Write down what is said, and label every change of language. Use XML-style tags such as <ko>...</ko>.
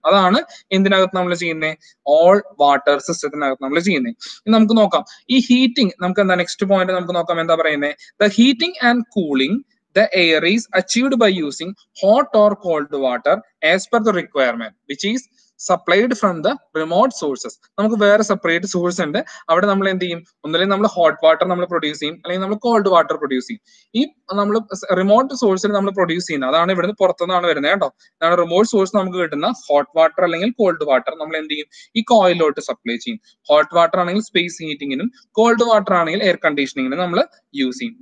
<ml>അതാണ് എന്തിനകത്ത് നമ്മൾ ചെയ്യുന്നത്, ഓൾ വാട്ടർ സിസ്റ്റത്തിനകത്ത് നമ്മൾ ചെയ്യുന്നത്. നമുക്ക് നോക്കാം ഈ ഹീറ്റിംഗ്, നമുക്ക് എന്താ നെക്സ്റ്റ് പോയിന്റ് നമുക്ക് നോക്കാം എന്താ പറയുന്നത്,</ml> <en>The heating and cooling the air is achieved by using hot or cold water as per the requirement which is supplied from the remote sources.</en> <ml>നമുക്ക് വേറെ സെപ്പറേറ്റ് സോഴ്സ് ഉണ്ട്. അവിടെ നമ്മൾ എന്ത് ചെയ്യും? ഒന്നുകിൽ നമ്മൾ ഹോട്ട് വാട്ടർ നമ്മൾ പ്രൊഡ്യൂസ് ചെയ്യും, അല്ലെങ്കിൽ നമ്മൾ കോൾഡ് വാട്ടർ പ്രൊഡ്യൂസ് ചെയ്യും. ഈ നമ്മൾ റിമോട്ട് സോഴ്സിൽ നമ്മൾ പ്രൊഡ്യൂസ് ചെയ്യുന്ന അതാണ് ഇവിടുന്ന് പുറത്തുനിന്നാണ് വരുന്നത് കേട്ടോ. അതാണ് റിമോട്ട് സോഴ്സ് നമുക്ക് കിട്ടുന്ന ഹോട്ട് വാട്ടർ അല്ലെങ്കിൽ കോൾഡ് വാട്ടർ നമ്മൾ എന്ത് ചെയ്യും? ഈ കോയിലോട്ട് സപ്ലൈ ചെയ്യും. ഹോട്ട് വാട്ടർ ആണെങ്കിൽ സ്പേസ് ഹീറ്റിംഗിനും, കോൾഡ് വാട്ടർ ആണെങ്കിൽ എയർ കണ്ടീഷനിങ്ങിനും നമ്മൾ യൂസ് ചെയ്യും.</ml>